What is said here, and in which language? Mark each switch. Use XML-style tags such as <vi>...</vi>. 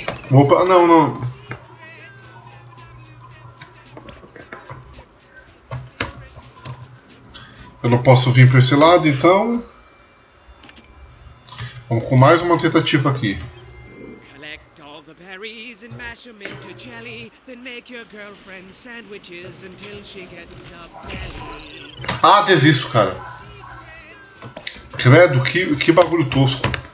<pt>Opa, não, não. Eu não posso vir para esse lado, então. Vamos com mais uma tentativa aqui.</pt> <en>The berries and mash them into jelly, then make your girlfriend sandwiches until she gets a belly.</en> <pt>Ah, desisto, cara. Credo, que bagulho tosco.</pt>